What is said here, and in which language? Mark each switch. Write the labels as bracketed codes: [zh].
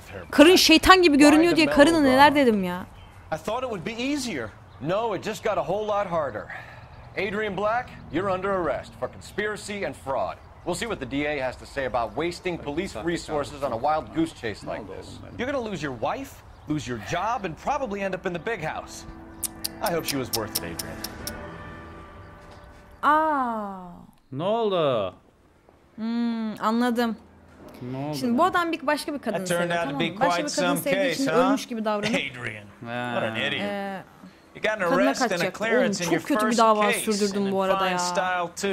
[tr] Karın şeytan gibi görünüyor diye karına neler dedim ya? [en] I thought it would be easier. No, it just got a whole lot harder. Adrian Black, you're under arrest for conspiracy and fraud. We'll see what the DA has to say about wasting police resources on a wild goose chase like this. You're gonna lose your wife? Lose your job and probably end up in the big house. I hope she was worth it, Adrian. Aa. [tr] Ne oldu? Anladım. Ne oldu? Şimdi bu adam bir başka bir kadın seviyor, tamam mı? Başka bir kadın sevdiği için ölmüş gibi davranıyor. [en] Adrian. What an idiot. You got an arrest and a clearance in your first case. [tr] Çok kötü bir dava sürdürdüm bu arada ya.